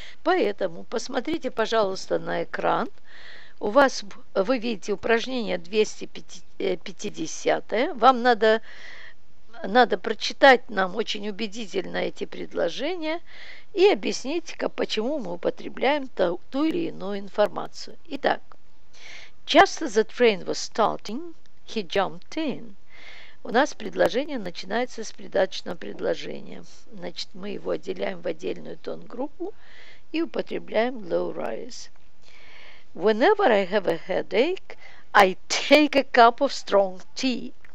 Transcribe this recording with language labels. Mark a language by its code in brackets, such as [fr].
[ru] Поэтому посмотрите, пожалуйста, на экран. У вас, вы видите, упражнение 250. Вам надо прочитать нам очень убедительно эти предложения и объяснить, почему мы употребляем ту или иную информацию. Итак, [en] just as the train was starting, he jumped in. [ru] У нас предложение начинается с придаточного предложения. Значит, мы его отделяем в отдельную тон-группу и употребляем low rise. [en] Whenever I have a headache, I take a cup of strong tea.